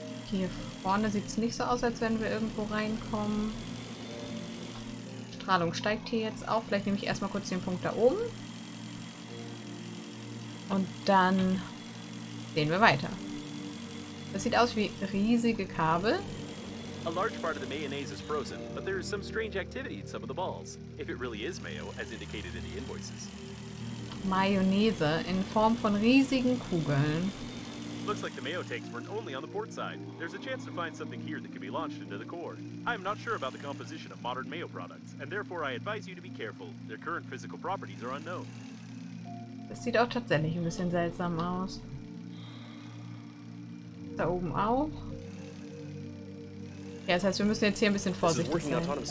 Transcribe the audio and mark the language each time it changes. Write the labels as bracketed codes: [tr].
[de] Hier vorne sieht es nicht so aus, als wenn wir irgendwo reinkommen. Strahlung steigt hier jetzt auch. Vielleicht nehme ich erstmal kurz den Punkt da oben. Und dann sehen wir weiter. Das sieht aus wie riesige Kabel. [en] A large part of the mayonnaise is frozen, but there is some strange activity in some of the balls. If it really is mayo, as indicated in the invoices. [de] Mayonnaise in Form von riesigen Kugeln. [en] Looks like the mayo tanks weren't only on the port side. There's a chance to find something here that could be launched into the core. I'm not sure about the composition of modern mayo products, and therefore I advise you to be careful. Their current physical properties are unknown. [de] Das sieht auch tatsächlich ein bisschen seltsam aus. Da oben auch. Ja, das heißt, wir müssen jetzt hier ein bisschen vorsichtig sein.